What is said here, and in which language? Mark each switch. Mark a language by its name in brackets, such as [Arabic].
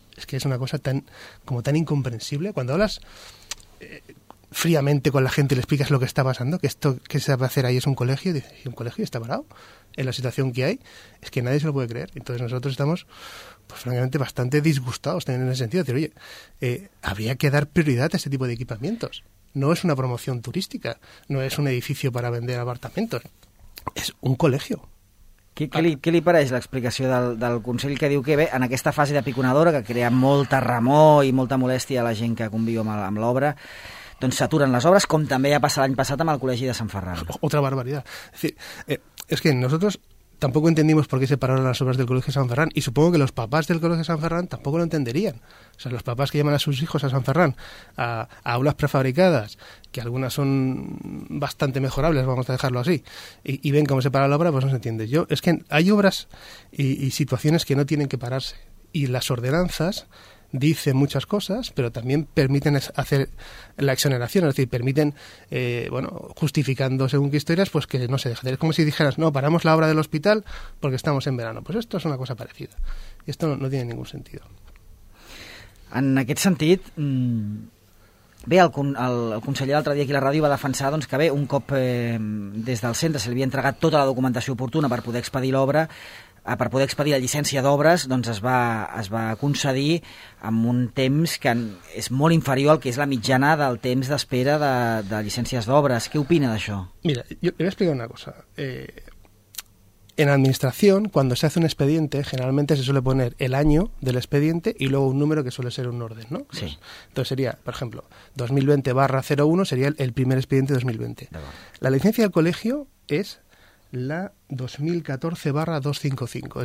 [Spanish] Es que es una cosa tan incomprensible. Cuando hablas fríamente con la gente y le explicas lo que está pasando, que esto que se va a hacer ahí es un colegio, dices, ¿y un colegio está parado en la situación que hay? Es que nadie se lo puede creer. Entonces nosotros estamos, pues francamente, bastante disgustados también en ese sentido. Decir, oye, habría que dar prioridad a este tipo de equipamientos. No es una promoción turística, no es un edificio para vender apartamentos, es un colegio. [Catalan] Què li pareix l'explicació del Consell, que diu que bé, en aquesta fase de piconadora, que crea molta remor i molta molèstia a la gent que conviu amb l'obra, doncs s'aturen les obres, com també ha passat l'any passat amb el Col·legi de Sant Ferran. [Spanish] Otra barbaridad. Es que nosotros tampoco entendimos por qué se pararon las obras del Colegio de San Ferran, y supongo que los papás del Colegio de San Ferran tampoco lo entenderían. O sea, los papás que llaman a sus hijos a San Ferran, a aulas prefabricadas, que algunas son bastante mejorables, vamos a dejarlo así, y ven cómo se para la obra, pues no se entiende. Yo, es que hay obras y situaciones que no tienen que pararse, y las ordenanzas dicen muchas cosas, pero también permiten hacer la exoneración, es decir, permiten, justificando según qué historias, pues que no se deje hacer. Es como si dijeras, no, paramos la obra del hospital porque estamos en verano. Pues esto es una cosa parecida. Y esto no tiene ningún sentido. [Catalan] En aquest sentit, bé, el conseller l'altre dia aquí a la ràdio va defensar doncs, que bé, un cop des del centre se li havia entregat tota la documentació oportuna per poder expedir l'obra, per poder expedir la llicència d'obres, doncs es va concedir amb un temps que és molt inferior al que és la mitjana del temps d'espera de llicències d'obres. Què opina d'això? Mira, jo li vaig explicar una cosa. [Spanish] En administración, cuando se hace un expediente, generalmente se suele poner el año del expediente y luego un número que suele ser un orden, ¿no? Sí. Entonces sería, por ejemplo, 2020/01 sería el primer expediente de 2020. Claro. La licencia del colegio es la 2014/255.